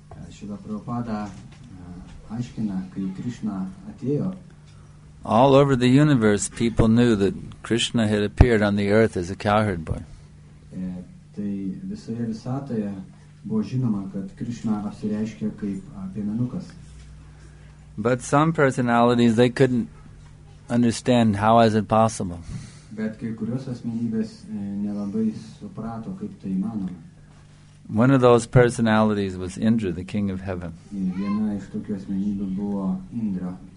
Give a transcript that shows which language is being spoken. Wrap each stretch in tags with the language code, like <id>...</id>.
<lt>Srila Prabhupada aiškina, kai Krishna atėjo.</lt> <en>All over the universe, people knew that Krishna had appeared on the earth as a cowherd boy.</en> <lt>Tai visoje visatoje buvo žinoma, kad Krishna apsireiškė kaip piemenukas.</lt> <en>But some personalities, they couldn't understand how is it possible.</en> <lt>Bet kai kurios asmenybės nelabai suprato, kaip tai įmanoma.</lt> <en>One of those personalities was Indra, the king of heaven.</en> <lt>Viena iš tokių asmenybių buvo Indra.</lt>